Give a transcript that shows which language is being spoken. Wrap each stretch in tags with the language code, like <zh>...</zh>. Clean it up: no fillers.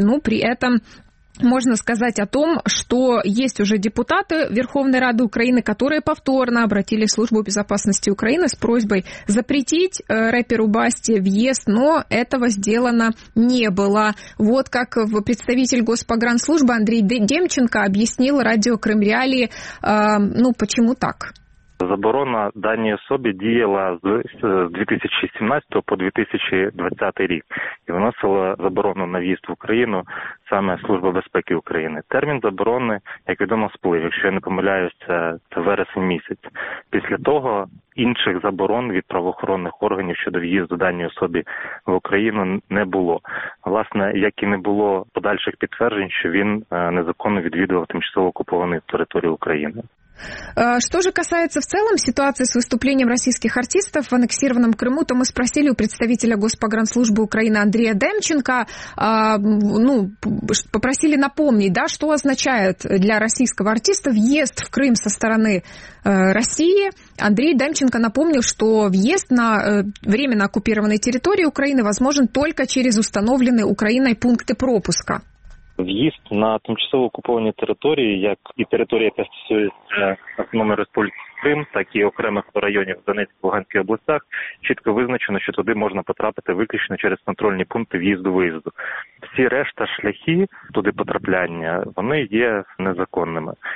<ru>Но при этом можно сказать о том, что есть уже депутаты Верховной Рады Украины, которые повторно обратили в Службу безопасности Украины с просьбой запретить рэперу Басте въезд, но этого сделано не было. Вот как представитель Госпогранслужбы Андрей Демченко объяснил радио Крым Реалии, ну почему так?</ru> <uk>Заборона даній особі діяла з 2017 по 2020 рік і виносила заборону на в'їзд в Україну саме Служба безпеки України. Термін заборони, як відомо, сплив, якщо я не помиляюся, це вересень місяць. Після того інших заборон від правоохоронних органів щодо в'їзду даній особі в Україну не було. Власне, як і не було подальших підтверджень, що він незаконно відвідував тимчасово окуповані території України.</uk> <ru>Что же касается в целом ситуации с выступлением российских артистов в аннексированном Крыму, то мы спросили у представителя Госпогранслужбы Украины Андрея Демченко, ну, попросили напомнить, да, что означает для российского артиста въезд в Крым со стороны России. Андрей Демченко напомнил, что въезд на временно оккупированные территории Украины возможен только через установленные Украиной пункты пропуска.</ru> <uk>В'їзд на тимчасово окуповані території, як і територія, яка стосується Автономної Республіки Крим, так і окремих районів в Донецькій, Луганській областях, чітко визначено, що туди можна потрапити виключно через контрольні пункти в'їзду-виїзду. Всі решта шляхи туди потрапляння, вони є незаконними.</uk>